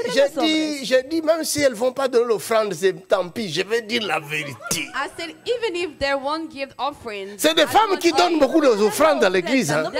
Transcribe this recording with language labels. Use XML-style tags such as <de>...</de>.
<fr>Je dis, même si elles vont pas donner l'offrande, c'est tant pis. Je vais dire la vérité.</fr> <en>I said, even if they won't give offerings.</en> <fr>C'est des femmes qui donnent beaucoup d'offrandes à l'église.</fr>